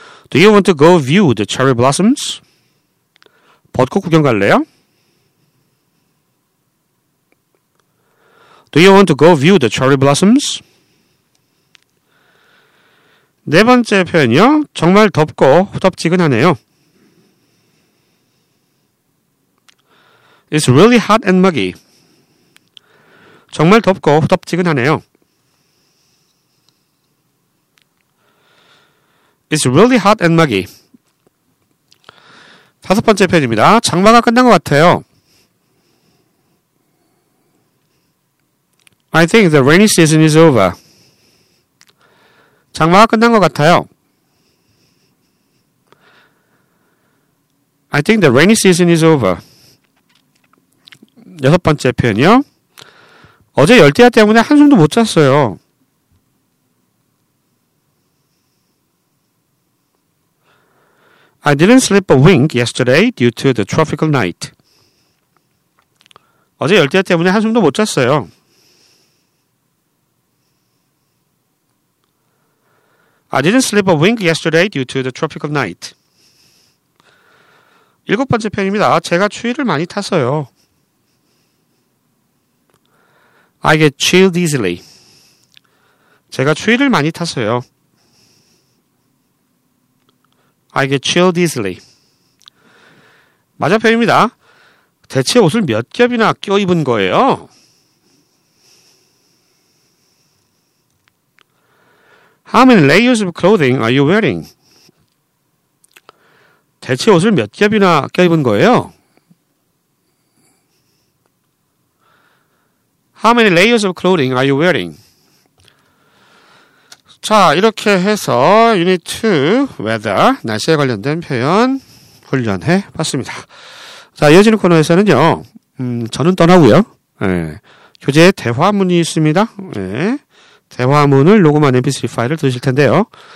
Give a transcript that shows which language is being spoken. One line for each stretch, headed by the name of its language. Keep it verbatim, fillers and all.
English: Do you want to go view the cherry blossoms?
Korean: 벚꽃 구경 갈래요?
English: Do you want to go view the cherry blossoms?
Korean: 네 번째 표현이요. 정말 덥고 후덥지근하네요.
English: It's really hot and muggy.
Korean: 정말 덥고 후덥지근하네요.
English: It's really hot and muggy.
Korean: 다섯 번째 표현입니다. 장마가 끝난 것 같아요.
English: I think the rainy season is over.
Korean: 장마가 끝난 것 같아요.
English: I think the rainy season is over.
Korean: 여섯 번째 표현이요. 어제 열대야 때문에 한숨도 못 잤어요.
English: I didn't sleep a wink yesterday due to the tropical night.
Korean: 어제 열대야 때문에 한숨도 못 잤어요.
English: I didn't sleep a wink yesterday due to the tropical night.
Korean: 일곱 번째 표현입니다. 제가 추위를 많이 탔어요.
English: I get chilled easily.
Korean: 제가 추위를 많이 탔어요.
English: I get chilled easily.
Korean: 마지막 표현입니다. 대체 옷을 몇 겹이나 껴 입은 거예요?
English: How many layers of clothing are you wearing?
Korean: 대체 옷을 몇 겹이나 껴 입은 거예요?
English: How many layers of clothing are you wearing?
Korean: 자, 이렇게 해서 유닛 투, weather, 날씨에 관련된 표현 훈련해 봤습니다. 자, 이어지는 코너에서는요, 음, 저는 떠나고요. 예, 교재에 대화문이 있습니다. 예, 대화문을 녹음한 엠피쓰리 파일을 들으실 텐데요.